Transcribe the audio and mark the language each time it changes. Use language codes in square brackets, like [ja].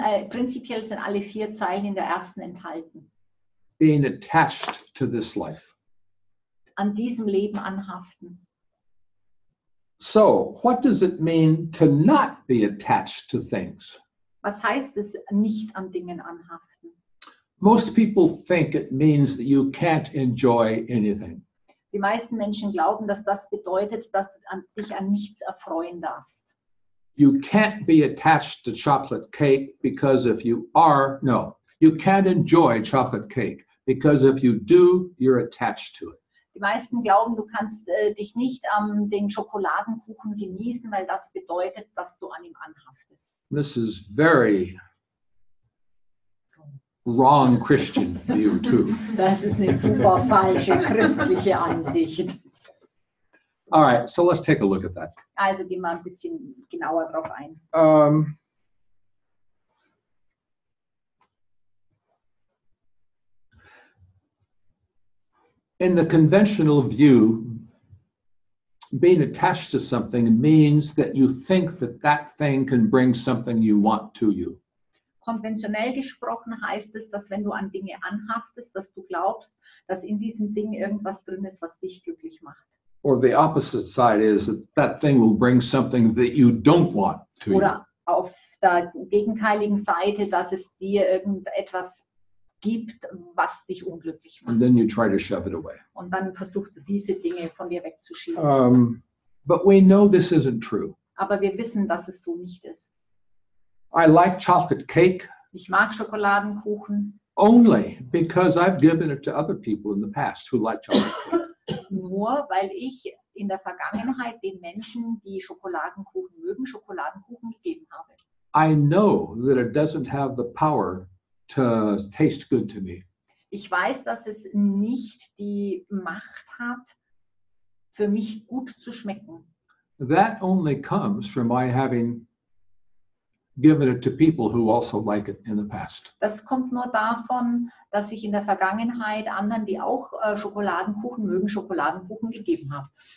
[de] Prinzipiell sind alle vier Zeilen in der ersten enthalten. [en] Being attached to this life. [de] An diesem Leben anhaften. [en] So, what does it mean to not be attached to things? [de] Was heißt es, nicht an Dingen anhaften? [en] Most people think it means that you can't enjoy anything. [de] Die meisten Menschen glauben, dass das bedeutet, dass du dich an nichts erfreuen darfst. [en] You can't be attached to chocolate cake because if you are, no. You can't enjoy chocolate cake because if you do, you're attached to it. [de] Die meisten glauben, du kannst dich nicht den Schokoladenkuchen genießen, weil das bedeutet, dass du an ihm anhaftest. [en] This is very wrong Christian view too. [de] Das ist eine super falsche christliche Ansicht. [en] All right, so let's take a look at that. [de] Also gehen wir ein bisschen genauer drauf ein. [en] In the conventional view, being attached to something means that you think that that thing can bring something you want to you. [de] Konventionell gesprochen heißt es, dass wenn du an Dinge anhaftest, dass du glaubst, dass in diesen Dingen irgendwas drin ist, was dich glücklich macht. [en] Or the opposite side is that that thing will bring something that you don't want to you. [de] Oder auf der gegenteiligen Seite, dass es dir irgendetwas gibt, was dich unglücklich macht. [en] And then you try to shove it away. [de] Und dann versuchst du, diese Dinge von dir wegzuschieben. [en] But we know this isn't true. [de] Aber wir wissen, dass es so nicht ist. [en] I like chocolate cake. [de] Ich mag Schokoladenkuchen. [en] Only because I've given it to other people in the past who like chocolate cake. [de] Nur weil ich in der Vergangenheit den Menschen, die Schokoladenkuchen mögen, Schokoladenkuchen gegeben habe. [en] I know that it doesn't have the power to taste good to me. [de] Ich weiß, dass es nicht die Macht hat, für mich gut zu schmecken. [en] That only comes from my having given it to people who also like it in the past. [de] Das kommt nur davon, dass ich in der Vergangenheit anderen, die auch Schokoladenkuchen mögen, Schokoladenkuchen gegeben habe.